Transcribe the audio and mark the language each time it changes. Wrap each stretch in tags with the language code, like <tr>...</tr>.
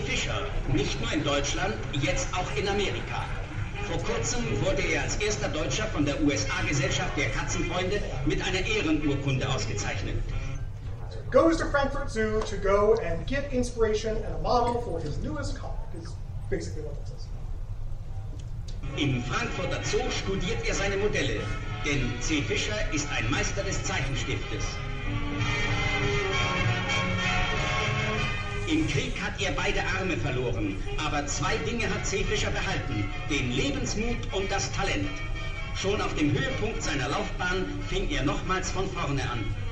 <de>Fischer, nicht nur in Deutschland, jetzt auch in Amerika. Vor kurzem wurde er als erster Deutscher von der USA-Gesellschaft der Katzenfreunde mit einer Ehrenurkunde ausgezeichnet.</de> <en>So he goes to Frankfurt Zoo to go and get inspiration and a model for his newest comic, is basically what that says.</en> <de>Im Frankfurter Zoo studiert er seine Modelle, denn C. Fischer ist ein Meister des Zeichenstiftes. Im Krieg hat er beide Arme verloren, aber zwei Dinge hat C. Fischer behalten, den Lebensmut und das Talent. Schon auf dem Höhepunkt seiner Laufbahn fing er nochmals von vorne an.</de>